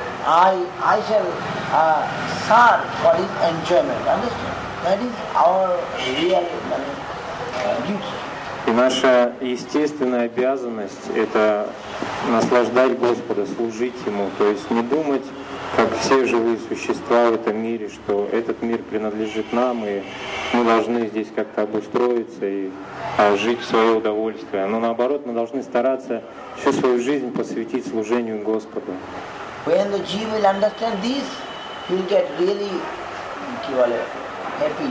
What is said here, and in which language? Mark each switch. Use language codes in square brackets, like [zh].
[en] I shall serve for his enjoyment. Understand? That is our real duty. [ru] И наша естественная обязанность – это наслаждать Господа, служить Ему. То есть не думать, как все живые существа в этом мире, что этот мир принадлежит нам, и мы должны здесь как-то обустроиться и жить в свое удовольствие. Но наоборот, мы должны стараться всю свою жизнь посвятить служению Господу. [en] When the jiva will understand this, he will get really happy.